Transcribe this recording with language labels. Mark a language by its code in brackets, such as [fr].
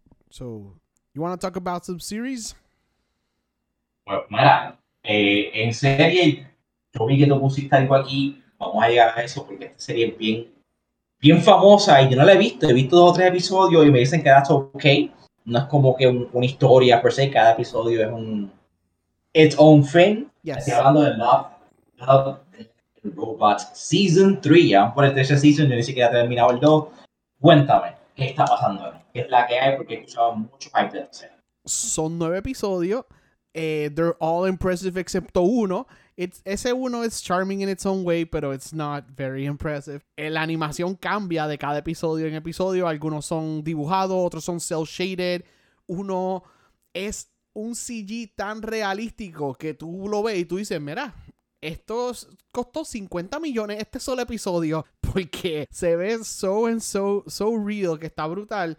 [en] So, you want to talk about some series? [es] Bueno, mira, En serie, yo vi que tú pusiste algo aquí. Vamos a llegar a eso porque esta serie es bien, bien famosa y yo no la he visto. He visto dos o tres episodios y me dicen que está ok. No es como que una historia per se, cada episodio es un [en] its own thing. [es] Estoy [en] Yes. [es] hablando de Love Robots Season 3. Ya por el tercer season, yo ni siquiera he terminado el 2. Cuéntame, ¿qué está pasando? ¿Qué es la que hay? Porque he escuchado mucho hype de la serie. Son 9 episodios. [en] They're all impressive [es] excepto uno. Ese uno es [en] charming in its own way, pero it's not very impressive. [es] La animación cambia de cada episodio en episodio. Algunos son dibujados, otros son cel-shaded. Uno es un CG tan realístico que tú lo ves y tú dices, mira, esto costó 50 millones este solo episodio porque se ve [en] so and so, so real, [es] que está brutal.